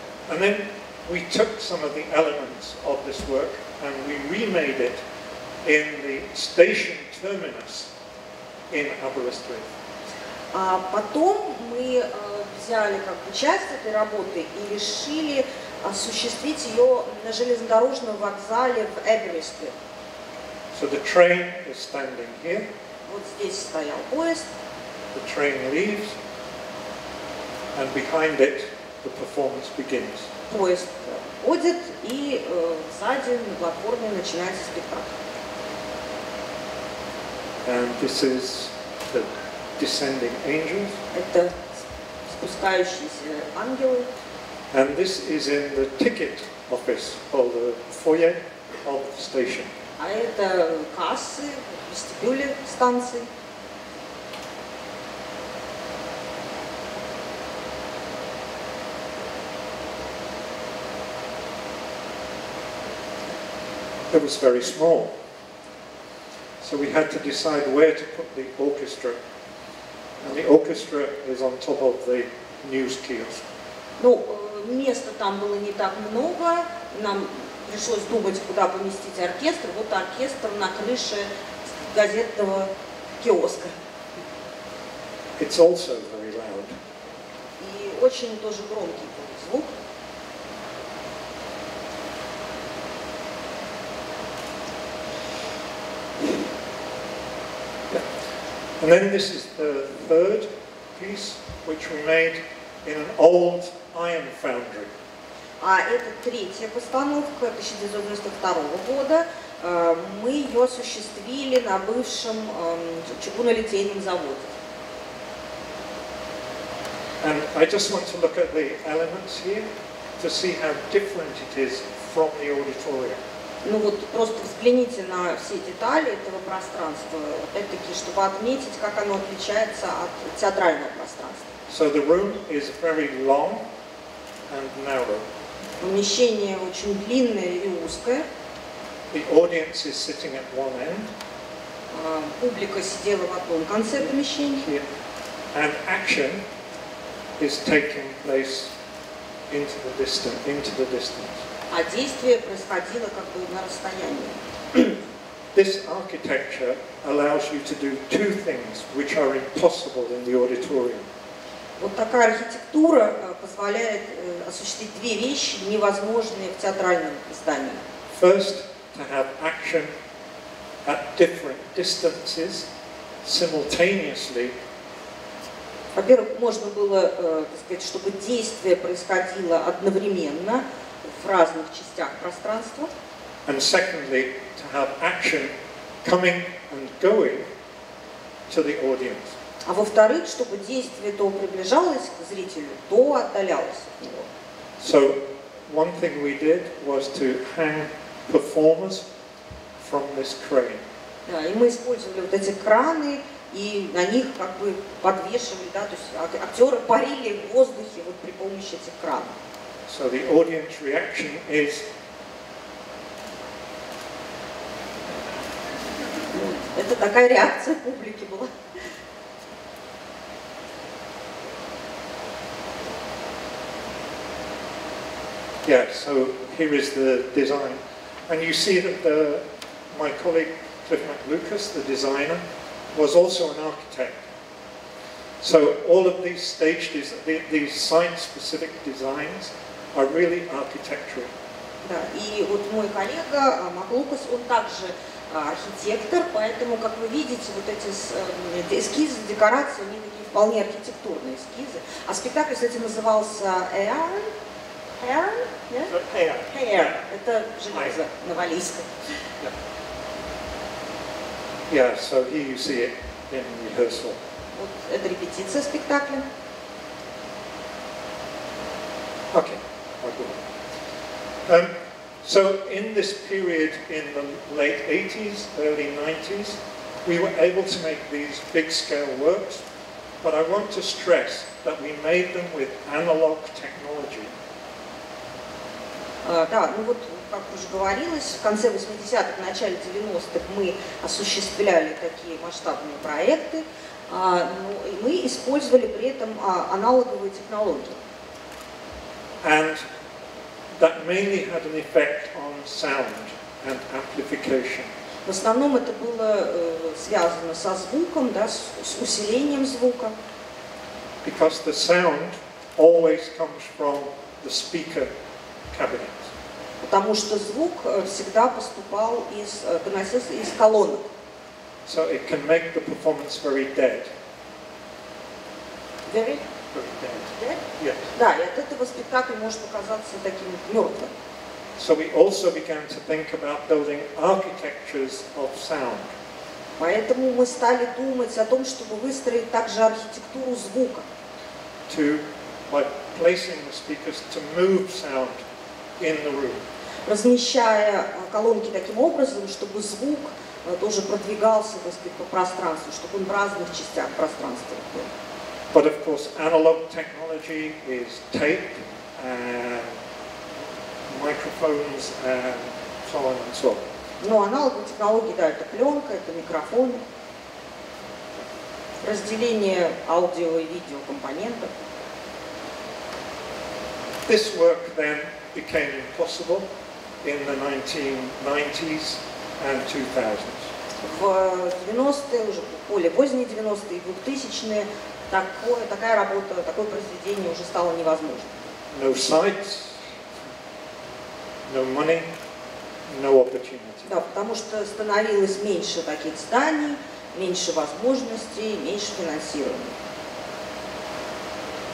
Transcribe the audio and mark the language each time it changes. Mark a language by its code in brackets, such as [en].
[en] And then we took some of the elements of this work and we remade it in the station terminus in Aberystwyth. [ru] А потом мы взяли как бы часть этой работы и решили осуществить ее на железнодорожном вокзале в Aberystwyth. [en] So the train is standing here. [ru] Вот здесь стоял поезд. [en] The train leaves. And behind it, the performance begins. [ru] Поезд уходит, и сзади на платформе начинается спектакль. [en] And this is the descending angels. [ru] Это спускающиеся ангелы. [en] And this is in the ticket office, or the foyer of the station. [ru] А это кассы, вестибюли станции. [en] It was very small, so we had to decide where to put the orchestra, and the orchestra is on top of the news kiosk. [ru] Ну, места там было не так много, нам пришлось думать, куда поместить оркестр. Вот оркестр на крыше газетного киоска. [en] It's also very loud. [ru] И очень тоже громкий был звук. [en] And then this is the third piece, which we made in an old iron foundry. [ru] А это третья постановка 1992 года. Мы ее осуществили на бывшем чугунолитейном заводе. [en] And I just want to look at the elements here to see how different it is from the auditorium. [ru] Ну вот просто взгляните на все детали этого пространства, опять-таки, чтобы отметить, как оно отличается от театрального пространства. [en] So the room is very long and narrow. [ru] Помещение очень длинное и узкое. [en] The audience is sitting at one end. [ru] Публика сидела в одном конце помещения. [en] Here. And action is taking place into the distance. [ru] А действие происходило как бы на расстоянии. [en] This architecture allows you to do two things which are impossible in the auditorium. [ru] Вот такая архитектура позволяет осуществить две вещи, невозможные в театральном здании. [en] First, to have action at different distances simultaneously [ru] Во-первых, можно было, так сказать, чтобы действие происходило одновременно в разных частях пространства. [en] And secondly, to have action coming and going to the audience. [ru] А во-вторых, чтобы действие то приближалось к зрителю, то отдалялось от него. [en] So one thing we did was to hang performers from this crane. [ru] Да, и мы использовали вот эти краны, и на них как бы подвешивали, да, то есть актеры парили в воздухе вот при помощи этих кранов. [en] So the audience reaction is... [ru] Это такая реакция публики была. [en] Yeah, so here is the design. And you see that the, my colleague Cliff McLucas, the designer, was also an architect. So all of these stage, these site-specific designs are really architectural. [ru] Да, и вот мой коллега Маклукас, он также архитектор, поэтому, как вы видите, вот эти эскизы, декорации, они такие вполне архитектурные эскизы. А спектакль, кстати, назывался Hair? [en] Yeah? Hair. Hair. [ru] Это железо на валийском. [en] Yeah. Yeah, so here you see it in rehearsal. [ru] Вот это репетиция спектакля. [en] Okay, I'll go on. So in this period in the late 80s, early 90s, we were able to make these big scale works, but I want to stress that we made them with analog technology. [ru] Да, ну вот, как уже говорилось, в конце 80-х, начале 90-х мы осуществляли такие масштабные проекты, ну, и мы использовали при этом аналоговые технологии. [en] And that mainly had an effect on sound and amplification. [ru] В основном это было связано со звуком, да, с усилением звука. [en] Because the sound always comes from the speaker cabinet. [ru] Потому что звук всегда поступал из, доносился из колонок. [en] So it can make the performance very dead. Very? Very dead. Dead? Yes. [ru] Да, и от этого спектакль может показаться таким мертвым. [en] So we also began to think about building architectures of sound. [ru] Поэтому мы стали думать о том, чтобы выстроить также архитектуру звука. [en] To, by placing the speakers to move sound in the room. [ru] Размещая колонки таким образом, чтобы звук тоже продвигался, так сказать, по пространству, чтобы он в разных частях пространства был. [en] But of course, analog technology is tape and microphones and so on and so on. [ru] Но аналоговые технологии, да, это пленка, это микрофоны, разделение аудио и видео компонентов. [en] This work then became impossible in the 1990s and 2000s. [ru] В 90-е, уже более поздние 90-е и 2000-е, такая работа, такое произведение уже стало невозможным. [en] No sites, no money, no opportunity. [ru] Да, потому что становилось меньше таких зданий, меньше возможностей, меньше финансирования.